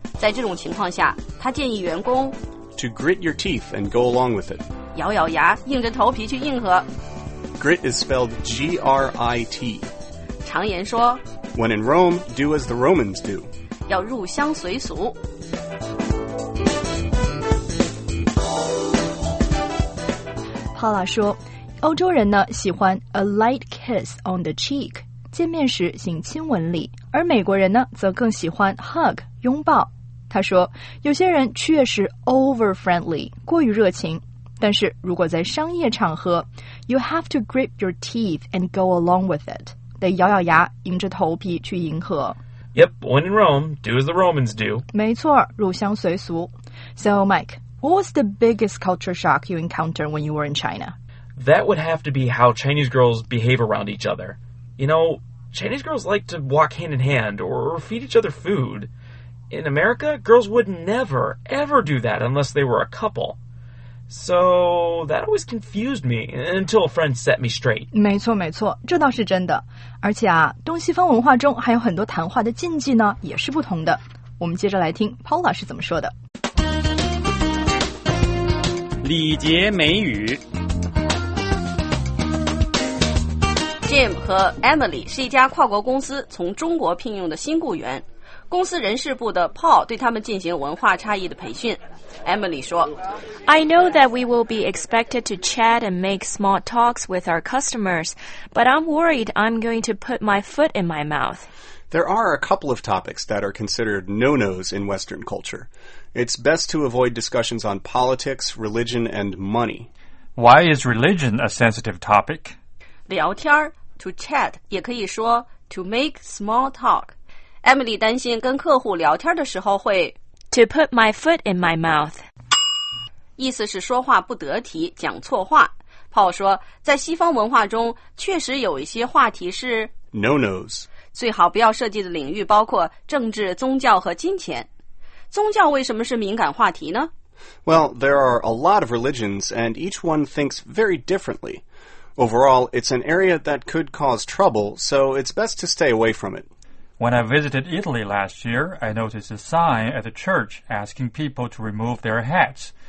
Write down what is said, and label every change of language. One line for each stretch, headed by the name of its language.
Chinese: 在这种情况下，他建议员工
English: To grit your teeth and go along with it.
Chinese: 咬咬牙，硬着头皮去硬核。
English: Grit is spelled G-R-I-T.
Chinese: 常言说
English: When in Rome, do as the Romans do.
Chinese: 要入乡随俗。 Paula 说，欧洲人呢喜欢
English: a light kiss on the cheek，
Chinese: 见面时行亲吻礼，而美国人呢则更喜欢 hug， 拥抱。他说，有些人确实 over-friendly， 过于热情。但是如果在商业场合
English: ,you have to grit your teeth and go along with it.
Chinese: 得咬咬牙硬着头皮去迎合。
English: Yep, when in Rome, do as the Romans do.
Chinese: 没错入乡随俗。
English: So, Mike, what was the biggest culture shock you encountered when you were in China? That would have to be how Chinese girls behave around each other. You know, Chinese girls like to walk hand in hand or feed each other food. In America, girls would never, ever do that unless they were a couple. So, that always confused me, until a friend set me straight.
Chinese: 没错没错，这倒是真的。而且啊，东西方文化中还有很多谈话的禁忌呢，也是不同的。我们接着来听 Paula 是怎么说的。礼节美语。 Jim 和 Emily 是一家跨国公司从中国聘用的新雇员。公司人事部的 Paul 对他们进行文化差异的培训。 Emily 说
English: I know that we will be expected to chat and make small talks with our customers, but I'm worried I'm going to put my foot in my mouth. There are a couple of topics that are considered no-nos in Western culture. It's best to avoid discussions on politics, religion, and money. Why is religion a sensitive topic?
Chinese: 聊天
English: to chat,
Chinese: 也可以说
English: to make small talk.
Chinese: Emily 担心跟客户聊天的时候会
English: To put my foot in my mouth.
Chinese: 意思是说话不得体，讲错话。 Paul 说，在西方文化中，确实有一些话题是
English: No-nos.
Chinese: 最好不要涉及的领域包括政治、宗教和金钱。宗教为什么是敏感话题呢？
English: Well, there are a lot of religions, and each one thinks very differently. Overall, it's an area that could cause trouble, so it's best to stay away from it. When I visited Italy last year, I noticed a sign at a church asking people to remove their hats.